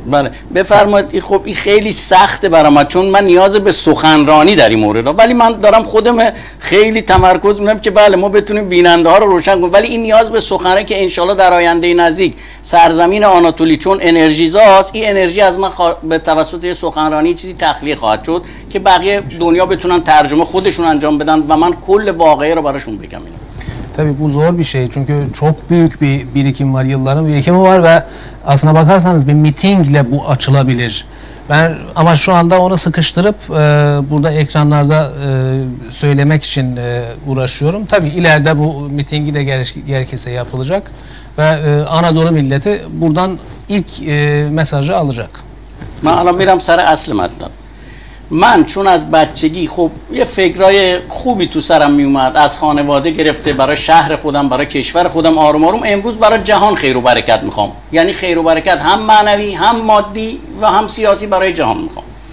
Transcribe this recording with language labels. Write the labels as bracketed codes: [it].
[fa] بله بفرمایید خب این خیلی سخته برام چون من نیاز به سخنرانی در این مورد دارم ولی من دارم خودم خیلی تمرکز می‌کنم که بله ما بتونیم بیننده ها رو روشن کنیم ولی این نیاز به سخنرانی که ان شاءالله در آینده نزدیک سرزمین آناتولی چون انرژیزاست این انرژی از من به توسط سخنرانی چیزی تخلیه خواهد شد که بقیه دنیا بتونن ترجمه خودشون انجام بدن و من کل واقعه رو براشون بگم اینا. [tr] Tabii bu zor bir şey çünkü çok büyük bir birikim var, yılların birikimi var ve aslına bakarsanız bir mitingle bu açılabilir. Ben ama şu anda onu sıkıştırıp burada ekranlarda söylemek için uğraşıyorum. Tabii ileride bu mitingi de gerekirse yapılacak ve Anadolu milleti buradan ilk mesajı alacak. Ben anlamıyorum sana [fa] asli matlam. من چون از بچگی خب یه فکرای خوبی تو سرم می اومد از خانواده گرفته برای شهر خودم برای کشور خودم آروم آروم امروز برای جهان خیر و برکت میخوام یعنی خیر و برکت هم معنوی هم مادی و هم سیاسی برای جهان میخوام